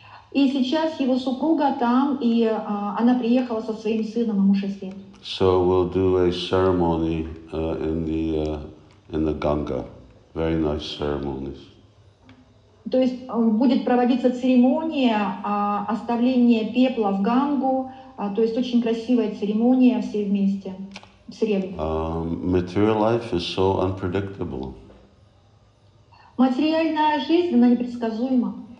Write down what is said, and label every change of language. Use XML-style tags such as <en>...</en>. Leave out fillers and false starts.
<ru>И сейчас его супруга там, и она приехала со своим сыном, ему 6 лет.</ru> <en>So we'll do a ceremony in the Ganga. Very nice ceremonies.</en> <ru>То есть будет проводиться церемония оставления пепла в Гангу, то есть очень красивая церемония все вместе в среду.</ru> <en>Material life is so unpredictable.</en> <ru>Материальная жизнь, она непредсказуема.</ru>